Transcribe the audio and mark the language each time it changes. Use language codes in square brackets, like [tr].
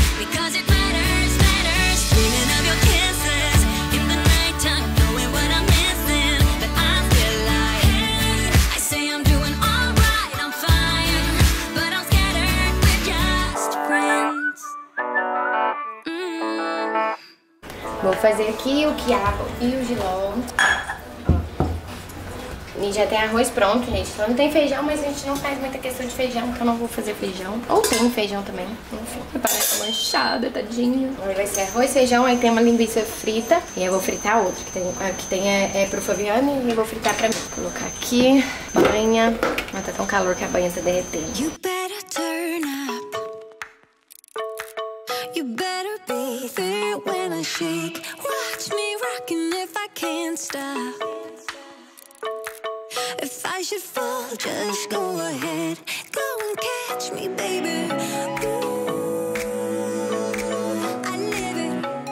[en] Because it matters, matters. Dreaming of your kisses in the nighttime, knowing what I'm missing. But I feel like, hey, I say I'm doing alright. I'm fine, but I'm scattered. We're just friends. [pt] Vou fazer aqui o quiabo e o giló. E já tem arroz pronto, gente. Só não tem feijão, mas a gente não faz muita questão de feijão, porque eu não vou fazer feijão. Ou tem feijão também. Enfim, parece uma manchada, tadinho. Aí vai ser arroz, feijão, aí tem uma linguiça frita. E eu vou fritar outro, que tem pro Fabiano, e eu vou fritar pra mim. Vou colocar aqui, banha. Mas tá tão calor que a banha tá derretendo. [en] You better turn up. You better be there when I shake. Watch me rocking if I can't stop. If I should fall, just go ahead. Go and catch me, baby. Ooh, I live it.